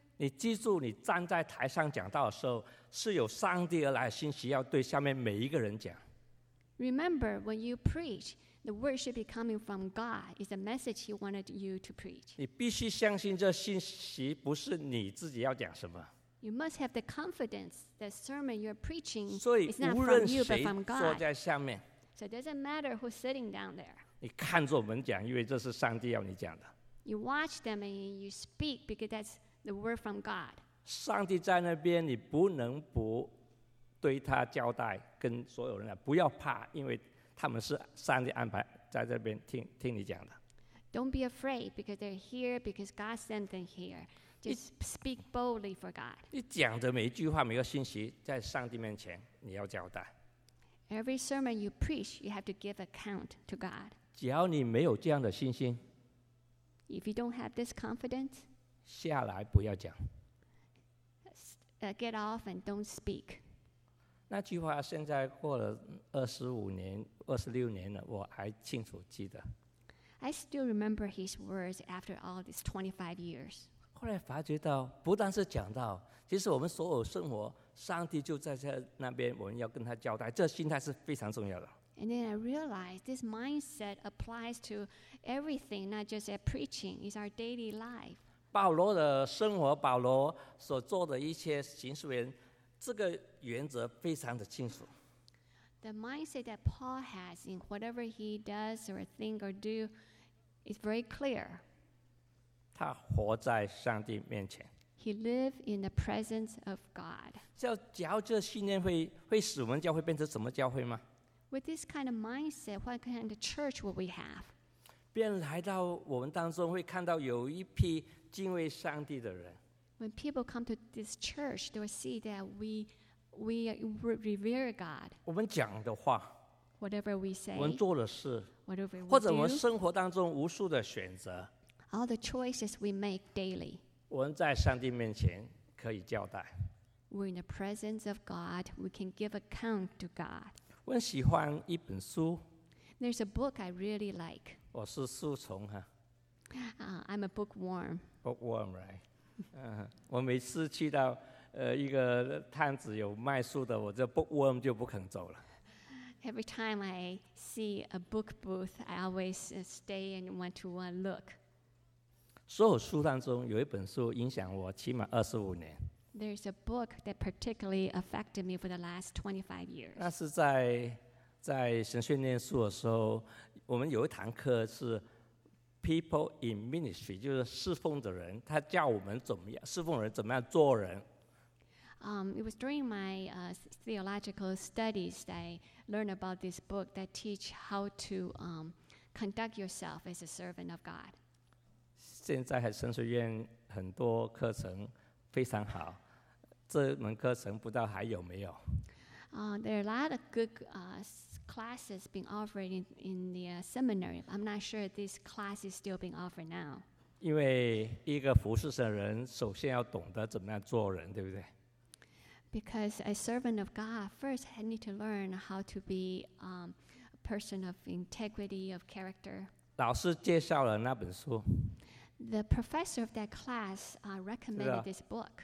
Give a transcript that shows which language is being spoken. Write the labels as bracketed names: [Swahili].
[Chinese] 你记住，你站在台上讲道的时候，是有上帝而来的信息要对下面每一个人讲。 [English] Remember, when you preach, the word should be coming from God. It's a message He wanted you to preach. [Chinese] 你必须相信这信息不是你自己要讲什么。 [English] You must have the confidence that sermon you're preaching is not from you but from God. [Chinese] 所以无论谁坐在下面。 [English] So it doesn't matter who's sitting down there. [Chinese] 你看着我们讲，因为这是上帝要你讲的。 [English] You watch them and you speak because that's the word from God. [Chinese] 上帝在那边，你不能不对他交代，跟所有人讲，不要怕，因为他们是上帝安排在这边听听你讲的。 [English] Don't be afraid because they're here because God sent them here. Just speak boldly for God. [Chinese] 你讲的每一句话、每个信息，在上帝面前你要交代。 [English] Every sermon you preach, you have to give account to God. [Chinese] 只要你没有这样的信心 [English] ，If you don't have this confidence, [Chinese] 下来不要讲。 [English] Get off and don't speak. [Chinese] 那句话现在过了25年、26年了，我还清楚记得。 [English] I still remember his words after all these 25 years. [Chinese] 后来发觉到，不但是讲到，其实我们所有生活，上帝就在那边，我们要跟他交代，这心态是非常重要的。 [English] And then I realized this mindset applies to everything, not just at preaching. It's our daily life. [Chinese] 保罗的生活，保罗所做的一切行事为人，这个原则非常的清楚。 [English] The mindset that Paul has in whatever he does or think or do is very clear. [Chinese] 他活在上帝面前。 [English] He lives in the presence of God. [Chinese] 假如这信念 会使我们教会变成什么教会吗？ [English] With this kind of mindset, what kind of church will we have? [Chinese] 便来到我们当中会看到有一批敬畏上帝的人。 [English] When people come to this church, they will see that we revere God. [Chinese] 我们讲的话， [English] whatever we say, [Chinese] 我们做的事， [English] whatever we do, [Chinese] 或者我们生活当中无数的选择， [English] all the choices we make daily, [Chinese] 我们在上帝面前可以交代。 [English] We're in the presence of God. We can give account to God. [Chinese] 我很喜欢一本书。 [English] There's a book I really like. [Chinese] 我是书虫哈。 [English] I'm a bookworm. Bookworm, right? [Chinese] 我每次去到一个摊子有卖书的，我这 bookworm 就不肯走了。 [English] Every time I see a book booth, I always stay and want to look. [Chinese] 所有书当中有一本书影响我起码25年。 [English] There's a book that particularly affected me for the last 25 years. [Chinese] 那是在神学念书的时候，我们有一堂课是 People in Ministry， 就是侍奉的人，他教我们怎么样侍奉人，怎么样做人。 [English] It was during my theological studies that I learned about this book that teach how to conduct yourself as a servant of God. [Chinese] 现在神学院很多课程非常好，这门课程不知道还有没有。 [English] There are a lot of good classes being offered in the seminary. I'm not sure this class is still being offered now. [Chinese] 因为一个服事神的人首先要懂得怎么样做人，对不对？ [English] Because a servant of God, first I need to learn how to be a person of integrity, of character. [Chinese] 老师介绍了那本书。 [English] The professor of that class recommended this book.